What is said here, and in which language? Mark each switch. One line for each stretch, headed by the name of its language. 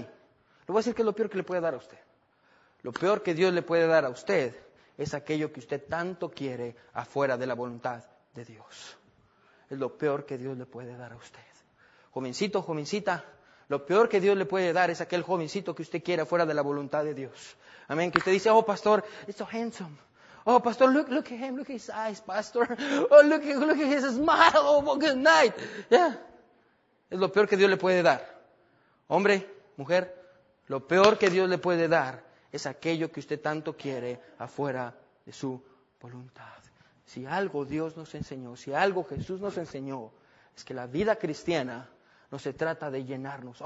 Spanish: Le voy a decir que es lo peor que le puede dar a usted. Lo peor que Dios le puede dar a usted es aquello que usted tanto quiere afuera de la voluntad de Dios. Es lo peor que Dios le puede dar a usted. Jovencito, jovencita, Lo peor que Dios le puede dar es aquel jovencito que usted quiera fuera de la voluntad de Dios. Amén. Que usted dice,
English: oh, pastor, it's so handsome. Oh, pastor, look at him, look at his eyes, pastor. Oh, look at his smile, oh, good night. Yeah.
Spanish: Es lo peor que Dios le puede dar. Hombre, mujer, lo peor que Dios le puede dar es aquello que usted tanto quiere afuera de su voluntad. Si algo Dios nos enseñó, si algo Jesús nos enseñó, es que la vida cristiana no se trata de llenarnos.